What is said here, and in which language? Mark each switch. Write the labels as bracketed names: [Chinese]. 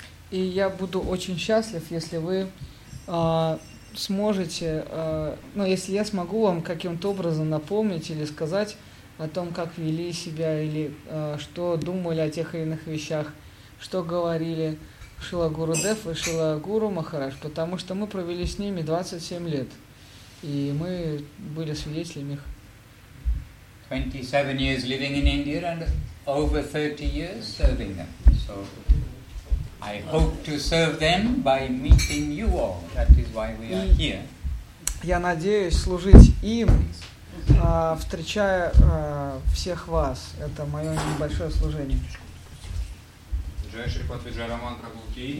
[Russian] И я буду очень счастлив, если вы сможете, ну, если я смогу вам каким-то образом напомнить или сказать о том, как вели себя, или что думали о тех или иных вещах, что говорили Шрила Гурудев и Шрила Гуру Махарадж, потому что мы провели с ними 27 лет. И мы были свидетелями их. [English] 27 years living in India and over 30 years serving them. So I hope to serve them by meeting you all. That is why we are here. [Russian] Я надеюсь служить им, встречая всех вас. Это мое небольшое служение. Джай Шри Пати Джай Раман Прабху Ки.